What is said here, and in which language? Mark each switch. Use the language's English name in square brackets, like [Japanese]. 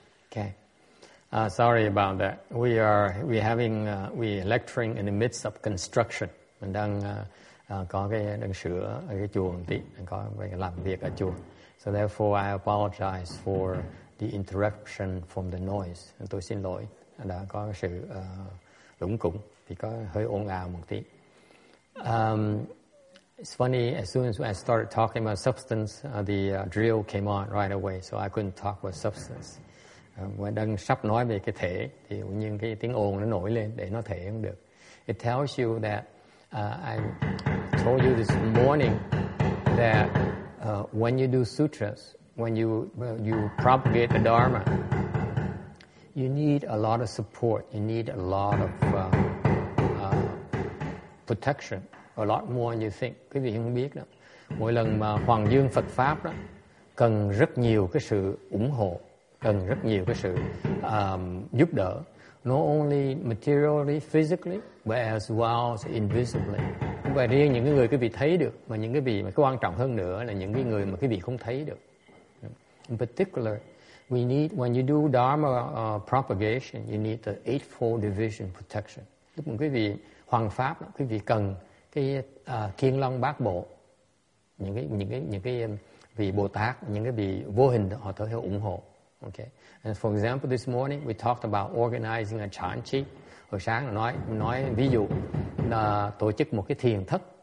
[English] Okay. Sorry about that. We're lecturing in the midst of construction. [Vietnamese] Mình đang có cái đang sửa cái chùa một tí, có cái làm việc ở chùa. [English] So therefore, I apologize for the interruption from the noise. [Vietnamese] Tôi xin lỗi đã có sự lủng củng thì có hơi ồn ào một tí. [English] It's funny, as soon as I started talking about substance, the drill came on right away, so I couldn't talk about substance. When I [Vietnamese] đang sắp nói về cái thể, thì tự nhiên cái tiếng ồn nó nổi lên để nó thể không được. [English] It tells you that I told you this morning that when you do sutras, when you propagate the Dharma, you need a lot of support. You need a lot of protection. A lot more than you think. [Vietnamese] Quý vị không biết đó. Mỗi lần mà hoàng dương Phật pháp đó cần rất nhiều cái sự ủng hộ, cần rất nhiều cái sự giúp đỡ. [English] Not only materially, physically, but as well as invisibly. [Vietnamese] Không phải riêng những cái người quý vị thấy được, mà những cái vị mà quan trọng hơn nữa là những cái người mà quý vị không thấy được. [English] In particular, we need when you do Dharma propagation, you need the eightfold division protection. [Vietnamese] Lúc quý vị hoàng pháp đó, quý vị cần cái Kiên Long Bát Bộ, những cái vị Bồ Tát, những cái vị vô hình họ tới theo ủng hộ. [English] Okay. And for example, this morning we talked about organizing a chan chi. [Vietnamese] Hồi sáng nói ví dụ là tổ chức một cái thiền thất.